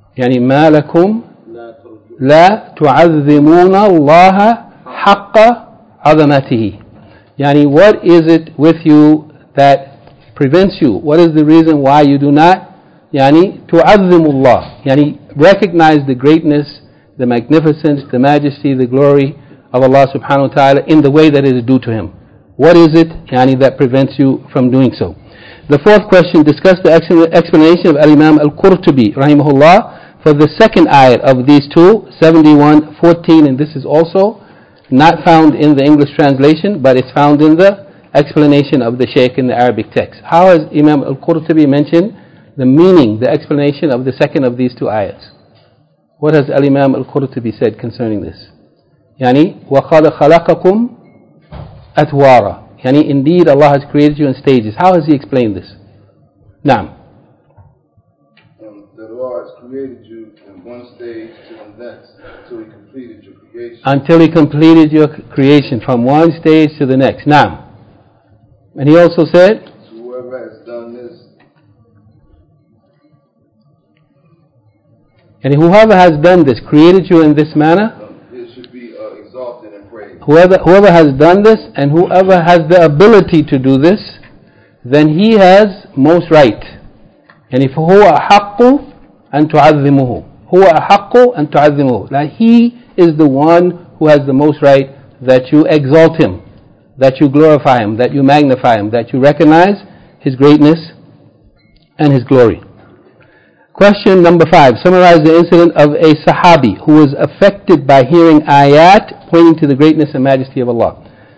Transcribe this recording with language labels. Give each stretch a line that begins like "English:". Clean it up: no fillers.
Arabic: يعني ما لكم لا تعظمون الله حق عظمته. يعني
English: what is it with you that prevents you? What is the reason why you do not يعني
Arabic: تعظم الله,
English: يعني recognize the greatness, the magnificence, the majesty, the glory of Allah subhanahu wa ta'ala in the way that is due to Him? What is it يعني that prevents you from doing so? The fourth question, discuss the explanation of Al-Imam Al-Qurtubi, rahimahullah, for the second ayah of these two, 71:14, and this is also not found in the English translation, but it's found in the explanation of the Shaykh in the Arabic text. How has Imam Al-Qurtubi mentioned the meaning, the explanation of the second of these two ayahs? What has Al-Imam Al-Qurtubi said concerning this?
Arabic: Yani, وَقَالَ خَلَقَكُمْ أَتْوَارَ.
English: Yani, indeed Allah has created you in stages. How has he explained this?
Arabic: Naam.
English: That Allah has created you in one stage to the next until he completed your creation. Until he completed your creation from one stage to the next. Naam. And he also said, so whoever has done this, and whoever has done this, created you in this manner, it should be exalted and praised. Whoever has done this, and whoever has the ability to do this, then he has most right. And if
Arabic: هو أحق أن تعظمه, هو أحق أن تعظمه.
English: Now he is the one who has the most right that you exalt him, that you glorify him, that you magnify him, that you recognize his greatness and his glory. Question number 5. Summarize the incident of a Sahabi who was affected by hearing ayat pointing to the greatness and majesty of Allah.